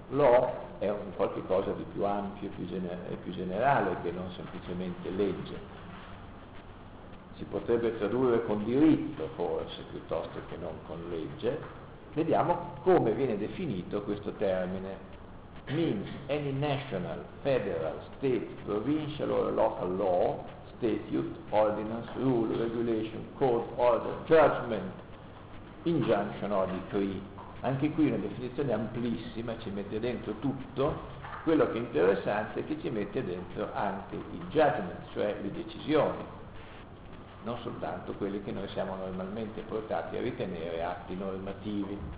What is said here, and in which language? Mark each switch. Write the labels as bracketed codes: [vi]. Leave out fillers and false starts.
[it] Law è un qualche cosa di più ampio e più generale che non semplicemente legge. Si potrebbe tradurre con diritto, forse, piuttosto che non con legge. Vediamo come viene definito questo termine. [en] Means any national, federal, state, provincial or local law, statute, ordinance, rule, regulation, court, order, judgment, injunction or decree. [it] Anche qui una definizione amplissima, ci mette dentro tutto. Quello che è interessante è che ci mette dentro anche il judgment, cioè le decisioni, non soltanto quelli che noi siamo normalmente portati a ritenere atti normativi.